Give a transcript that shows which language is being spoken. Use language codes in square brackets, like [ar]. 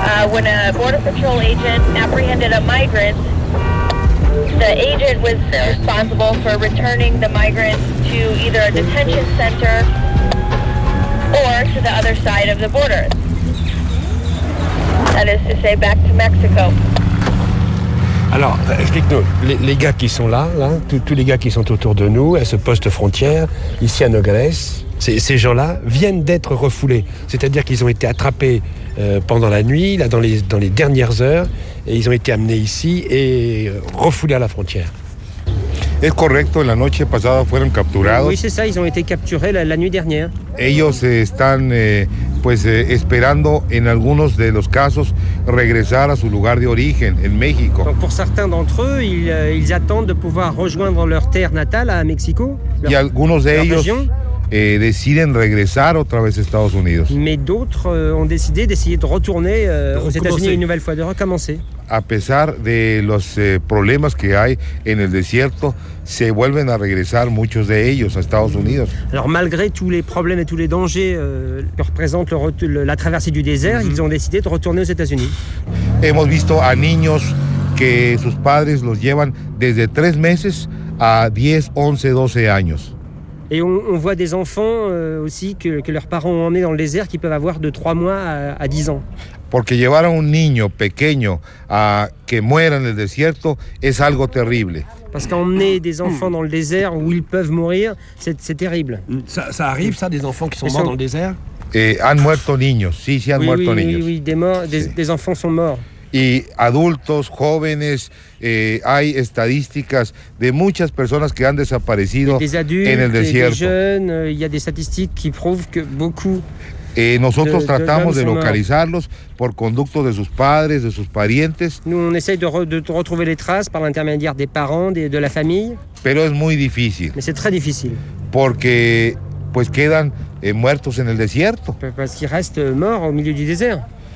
[en] When a Border Patrol agent apprehended a migrant, the agent was responsible for returning the migrant to either a detention center or to the other side of the border. That is to say, back to Mexico. [fr] Alors, explique-nous, les gars qui sont là, tous les gars qui sont autour de nous, à ce poste frontière, ici à Nogales, ces gens-là viennent d'être refoulés. C'est-à-dire qu'ils ont été attrapés pendant la nuit, là, dans les dernières heures, et ils ont été amenés ici et refoulés à la frontière. [es] Es correcto, la noche pasada fueron capturados. [fr] Oui, c'est ça, ils ont été capturés la nuit dernière. [es] Ellos están esperando en algunos de los casos regresar a su lugar de origen en México. [fr] Donc pour certains d'entre eux, ils attendent de pouvoir rejoindre leur terre natale à Mexico. [es] Y algunos de ellos deciden regresar otra vez a Estados Unidos. [fr] Mais d'autres ont décidé d'essayer de retourner aux États-Unis une nouvelle fois, de recommencer. [es] A pesar de los problemas que hay en el desierto, se vuelven a regresar muchos de ellos a Estados Unidos. [fr] Alors malgré tous les problèmes et tous les dangers que représente la traversée du désert, ils ont décidé de retourner aux États-Unis. [es] Hemos visto a niños que sus padres los llevan desde 3 meses a 10, 11, 12 años. [fr] Et on voit des enfants aussi que leurs parents ont emmenés dans le désert qui peuvent avoir de 3 mois à 10 ans. [es] Porque llevar a un niño pequeño a que muera en el desierto es algo terrible. [fr] Parce qu'emmener des enfants dans le désert où ils peuvent mourir, c'est terrible. Ça arrive ça, des enfants qui sont morts dans le désert? [es] Han muerto niños, sí, sí han muerto niños. [fr] Oui, des enfants sont morts. [es] Y adultos, jóvenes, hay estadísticas de muchas personas que han desaparecido en el desierto. [fr] Des jeunes, il y a des statistiques qui prouvent que beaucoup. [es] Nosotros tratamos de localizarlos por conducto de sus padres, de sus parientes. [fr] Nous, on essaye de retrouver les traces par l'intermédiaire des parents, de la famille. [es] Pero es muy difícil. [fr] Mais c'est très difficile. [es] Porque pues quedan muertos en el desierto. [fr] Parce qu'ils restent morts au milieu du désert.